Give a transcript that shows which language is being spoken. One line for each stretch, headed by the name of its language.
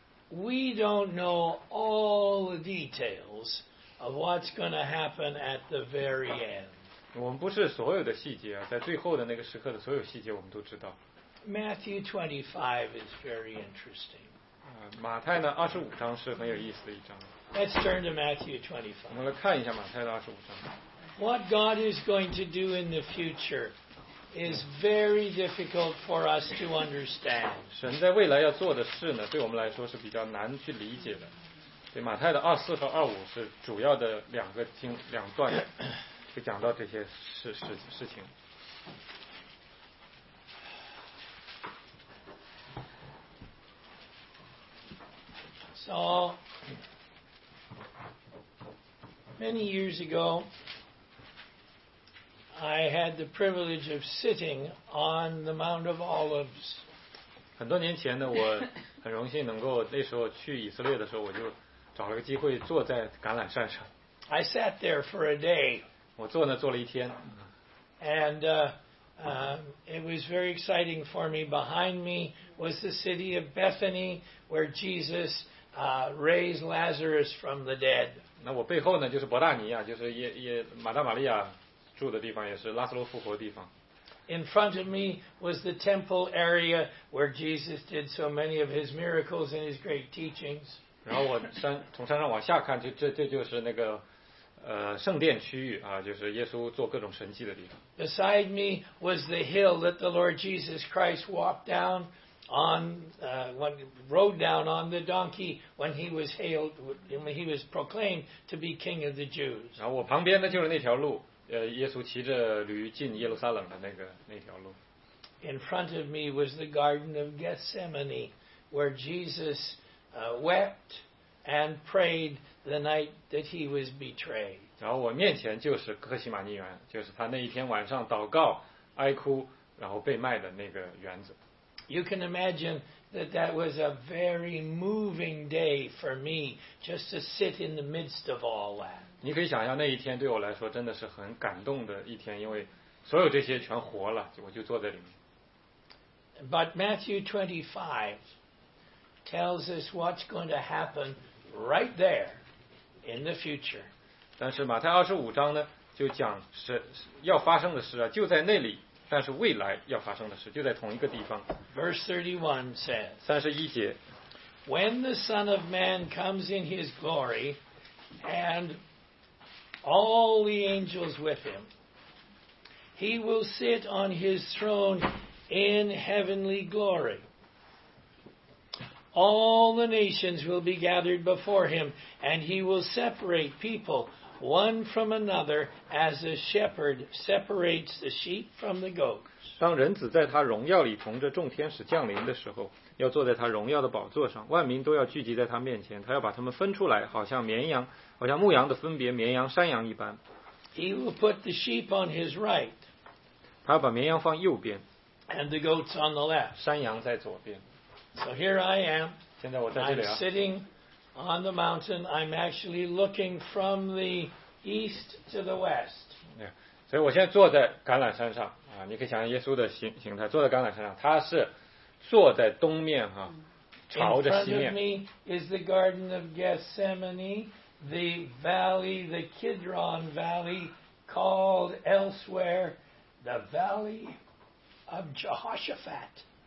English: We don't know all the details of what's going to happen at the very end.
Chinese: 我们不是所有的细节啊，在最后的那个时刻的所有细节我们都知道。
English: Matthew 25 is very interesting.
Chinese: 马太呢，二十五章是很有意思的一章。
English: Let's turn to Matthew 25.
Chinese: 我们来看一下马太的二十五章。
English: What God is going to do in the future is very difficult for us to understand.
Chinese: 神在未来要做的事呢，对我们来说是比较难去理解的。对，马太的二四和二五是主要的两个经两段。会讲到这些事情。
English: So, many years ago, I had the privilege of sitting on the Mount of Olives.
Chinese: 很多年前呢，我很荣幸能够那时候去以色列的时候，我就找了个机会坐在橄榄山上。
English: I sat there for a day.
Chinese: 我坐呢坐了一天
English: and it was very exciting for me. Behind me was the city of Bethany where Jesus raised Lazarus from the dead.
Chinese: 那我背后呢就是伯大尼亚，就是马大玛利亚住的地方，也是拉斯罗复活的地方。
English: In front of me was the temple area where Jesus did so many of his miracles and his great teachings.
Chinese: 然后我山从山上往下看，就这就是那个圣殿区域啊，就是耶稣做各种神迹的地方。
English: Beside me was the hill that the Lord Jesus Christ walked down on, rode down on the donkey when he was hailed, when he was proclaimed to be king of the Jews.
Chinese: 然后我旁边的就是那条路，耶稣骑着驴进耶路撒冷的那条路。
English: In front of me was the Garden of Gethsemane, where Jesus wept and prayed the night that he was betrayed.
Chinese: 然后我面前就是哥西马尼园，就是他那一天晚上祷告、哀哭，然后被卖的那个园子。
English: You can imagine that that was a very moving day for me, just to sit in the midst of all that.
Chinese: 你可以想象那一天对我来说真的是很感动的一天，因为所有这些全活了，我就坐在里面。
English: But Matthew 25 tells us what's going to happen right there in the future.
Chinese: 但是马太二十五章呢，就讲是要发生的事啊，就在那里。但是未来要发生的事就在同一个地方。
English: Verse 31 says,
Chinese: 31节
English: When the Son of Man comes in his glory and all the angels with him, he will sit on his throne in heavenly glory. All the nations will be gathered before him, and he will separate people. One from another, as a shepherd separates the sheep from the goats.
Chinese: 当人子在他荣耀里同着众天使降临的时候，要坐在他荣耀的宝座上，万民都要聚集在他面前，他要把他们分出来，好像绵羊，好像牧羊的分别绵羊山羊一般。
English: He will put the sheep on his right.
Chinese: 他要把绵羊放右边。
English: And the goats on the left.
Chinese: 山羊在左边。
English: So here I am.
Chinese: 现在我在这里啊。
English: I'm sitting. On the mountain, I'm actually looking from the east to the west.
Chinese: Yeah, 所以我现在坐在橄榄山上啊，你可以想象耶稣的形态，坐在橄榄山上，他是坐在东面哈、啊，朝着西面。
English: In front of me is the Garden of Gethsemane, the valley, the Kidron Valley, called elsewhere the Valley of Jehoshaphat.